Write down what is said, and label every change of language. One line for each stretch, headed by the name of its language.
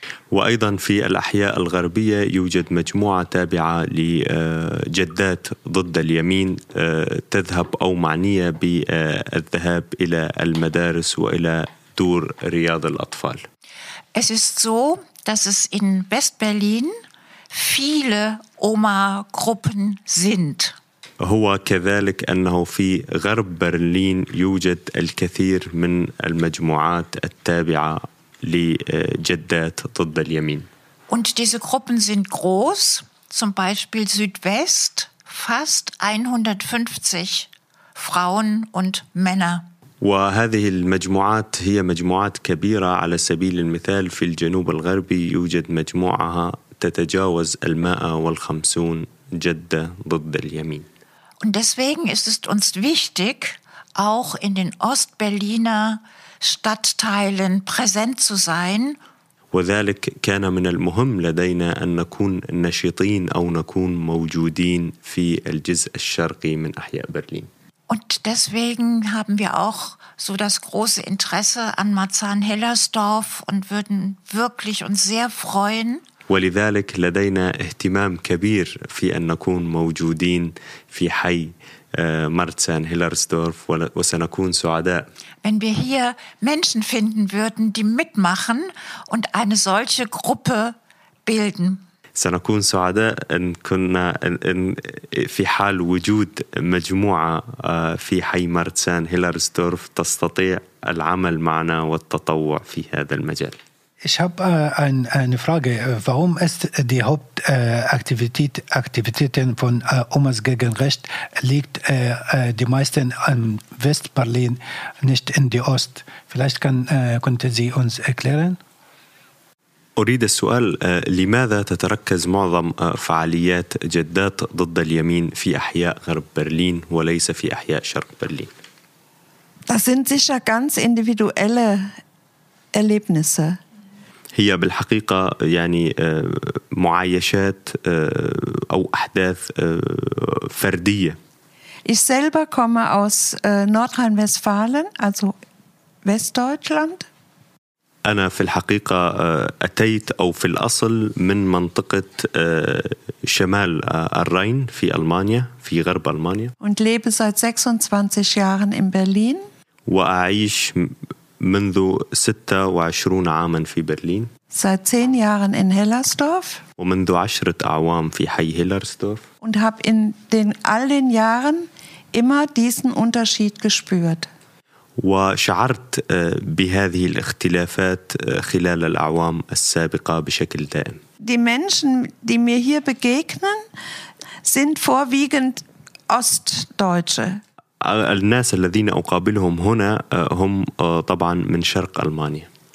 Arabic: وأيضا في الأحياء الغربية يوجد مجموعة تابعة لجدات ضد اليمين تذهب أو معنية بالذهاب إلى المدارس وإلى دور رياض الأطفال.
German: Es ist so, dass es in West-Berlin viele Oma-Gruppen sind.
Arabic: هو كذلك أنه في غرب برلين يوجد الكثير من المجموعات التابعة لجدات ضد اليمين.
German: Und diese Gruppen sind groß, zum Beispiel Südwest, fast 150 Frauen und Männer.
Arabic: وهذه المجموعات هي مجموعات كبيرة، على سبيل المثال في الجنوب الغربي يوجد مجموعها تتجاوز 150 جدة ضد اليمين.
German: Und deswegen ist es uns wichtig, auch in den Ost-Berliner Stadtteilen präsent zu sein.
Arabic: وذلك كان من المهم لدينا أن نكون نشيطين أو نكون موجودين في الجزء الشرقي من أحياء برلين.
German: Und deswegen haben wir auch so das große Interesse an Marzahn-Hellersdorf und würden wirklich uns sehr freuen.
Arabic: ولذلك لدينا اهتمام كبير في أن نكون موجودين في حي مارتسان-هيلرسدورف وسنكون سعداء.
German: Wenn wir hier Menschen finden würden, die mitmachen und eine solche Gruppe bilden.
Arabic: سنكون سعداء إن كنا إن في حال وجود مجموعة في حي مارتسان هيلرسدورف تستطيع العمل معنا والتطوع في هذا المجال.
German: Ich habe eine Frage. Warum ist die Hauptaktivitäten von Omas gegen Recht liegt die meisten in West-Berlin, nicht in die Ost? Vielleicht könnte sie uns erklären?
Arabic: أريد السؤال، لماذا تتركز معظم فعاليات جدات ضد اليمين في أحياء غرب برلين وليس في أحياء شرق برلين؟
German: Das sind sicher ganz individuelle Erlebnisse.
Arabic: هي بالحقيقة يعني معايشات أو أحداث فردية.
German: Ich selber komme aus Nordrhein-Westfalen, also Westdeutschland.
Arabic: أنا في الحقيقة أتيت أو في الأصل من منطقة شمال الراين في ألمانيا، في غرب ألمانيا.
German: Und lebe seit 26 Jahren in Berlin.
Arabic: وأعيش منذ 26 عاما في برلين.
German: Seit 10 Jahren in Hellersdorf.
Arabic: ومنذ 10 أعوام في حي هيلرسدورف.
German: Und habe in den all den Jahren immer diesen Unterschied gespürt.
Arabic: وشعرت بهذه الاختلافات خلال الأعوام السابقة بشكل دائم.
German: Die Menschen, die mir hier begegnen, sind vorwiegend Ostdeutsche.
Arabic: الناس الذين أقابلهم هنا هم طبعا من شرق ألمانيا.